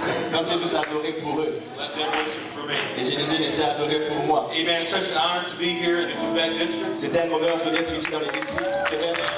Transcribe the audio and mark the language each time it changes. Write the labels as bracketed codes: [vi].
[fr] Donc j'ai juste adoré pour eux. [en] Let them worship for me. [fr] Et je les ai laissés adorer pour moi. [en] Amen. Such an honor to be here in the Quebec district. [fr] C'est un honneur de d'être ici dans le district du Québec.